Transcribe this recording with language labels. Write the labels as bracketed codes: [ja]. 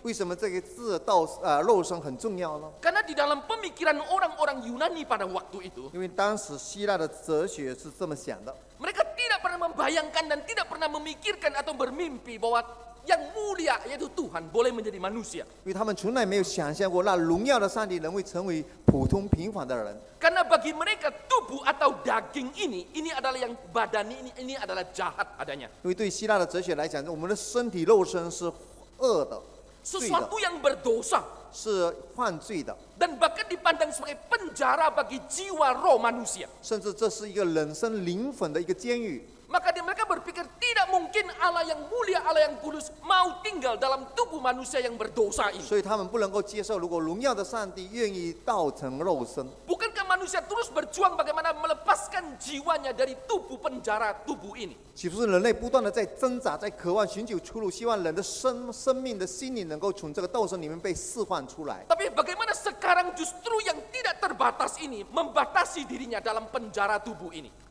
[zh] 为什么这个字道肉身很重要呢? [id] Karena di dalam pemikiran orang-orang Yunani pada waktu itu, [zh] 因为当时希腊的哲学是这么想的, [id] mereka tidak pernah membayangkan dan tidak pernah memikirkan atau bermimpi bahwa yang mulia yaitu Tuhan boleh menjadi manusia. [zh] 因为他们从来没有想象过那荣耀的上帝能为成为普通平凡的人。 [id] Karena bagi mereka tubuh atau daging ini adalah yang badan ini adalah jahat adanya. [zh] 因为对希腊的哲学来讲，我们的身体肉身是恶的。 [id] Sesuatu yang berdosa. [zh] 是犯罪的。 [id] Dan bahkan dipandang sebagai penjara bagi jiwa roh manusia. [zh] 甚至这是一个人生灵魂的一个监狱。 [id] Maka mereka berpikir tidak mungkin Allah yang mulia, Allah yang kudus mau tinggal dalam tubuh manusia yang berdosa ini. [zh] 所以他们不能够接受，如果荣耀的上帝愿意道成肉身。 [id] Bukankah manusia terus berjuang bagaimana melepaskan jiwanya dari tubuh penjara tubuh ini? [zh] 岂不是人类不断的在挣扎，在渴望寻求出路，希望人的生命的心灵能够从这个道身里面被释放出来？ [id] Tapi bagaimana sekarang justru yang tidak terbatas ini membatasi dirinya dalam penjara tubuh ini?